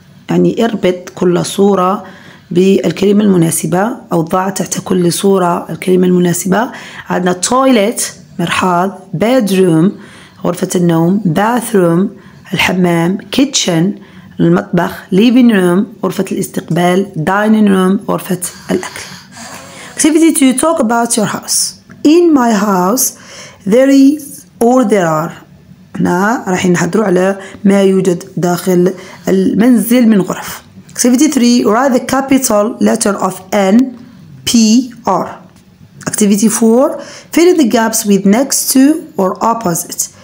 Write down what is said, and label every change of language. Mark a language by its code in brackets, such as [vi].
[ar] يعني اربط كل صورة بالكلمة المناسبة أو ضع تحت كل صورة الكلمة المناسبة. عندنا toilet مرحاض, bedroom غرفة النوم, bathroom الحمام, kitchen المطبخ, living room غرفة الاستقبال, dining room غرفة الأكل. [en] Activity two, talk about your house. In my house there is or there are. [ar] هنا راح نحضروا على ما يوجد داخل المنزل من غرف. [en] Activity 3. Write the capital letter of N, P, R. Activity 4. Fill the gaps with next to or opposite.